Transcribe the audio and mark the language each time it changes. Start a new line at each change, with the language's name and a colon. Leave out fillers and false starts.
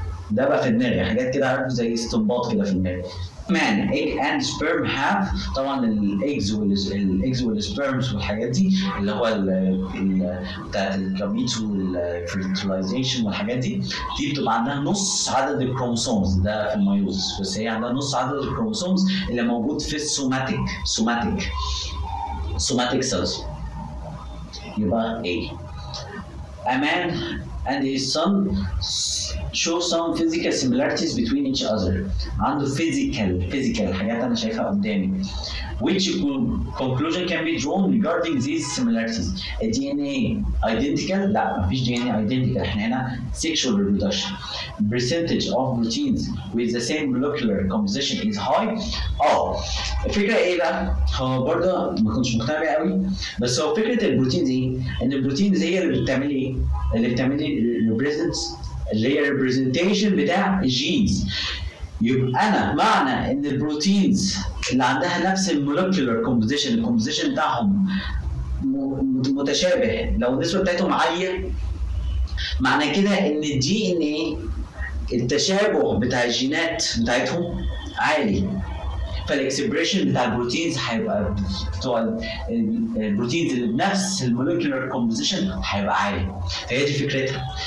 Arabic: ده بقى في دماغي حاجات كده عارف زي استنباط كده في دماغي.
English: Man, egg and sperm have
Arabic: طبعا الايجز والسبرمز والحاجات دي اللي هو بتاعت الكاميت والفيرتلايزيشن والحاجات دي دي بتبقى عندها نص عدد الكروموسومز ده في الميوز بس هي عندها نص عدد الكروموسومز اللي موجود في السوماتيك سوماتيك سيلز يبقى A.
English: A man and his son show some physical similarities between each other.
Arabic: عنده physical حاجات انا شايفها قدامي.
English: Which conclusion can be drawn regarding these similarities? A DNA identical?
Arabic: لا مفيش DNA identical. احنا هنا sexual reproduction.
English: Percentage of routines with the same molecular composition is high.
Arabic: الفكرة ايه بقى؟ هو برضه ما كنتش مقتنع بيها قوي بس هو فكرة البروتين دي ان البروتين زي اللي بتعمل ايه؟ اللي بتعمل ريبريزنتس اللي هي ريبريزنتيشن بتاع الجينز. يبقى انا معنى ان البروتينز اللي عندها نفس المولكيولر كومبوزيشن الكومبوزيشن بتاعهم متشابه لو النسبه بتاعتهم عاليه معنى كده ان الدي ان ايه التشابه بتاع الجينات بتاعتهم عالي فالاكسبريشن بتاع البروتينز هيبقى بتوع البروتينز اللي بنفس المولكيولر كومبوزيشن هيبقى عالي. فهي دي فكرتها.